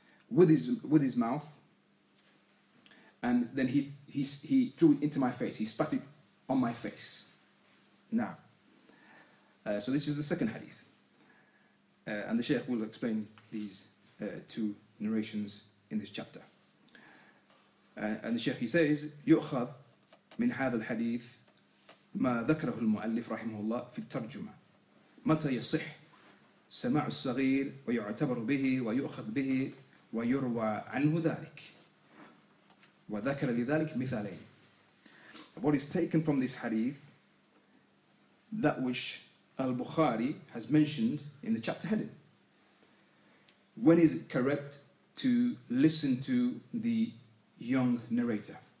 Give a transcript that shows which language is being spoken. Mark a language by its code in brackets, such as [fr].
[en] with his mouth, and then he threw it into my face. He spat it on my face. Now, so this is the second hadith, and the Shaykh will explain these two narrations in this chapter. And the Shaykh, he says, [ar] يؤخذ من هذا الحديث ما ذكره المؤلف رحمه الله في الترجمة متى يصح سماع الصغير ويعتبر به ويؤخذ به ويروى عنه ذلك وذكر لذلك مثالين. [en] What is taken from this hadith, that which Al-Bukhari has mentioned in the chapter heading. When is it correct to listen to the young narrator?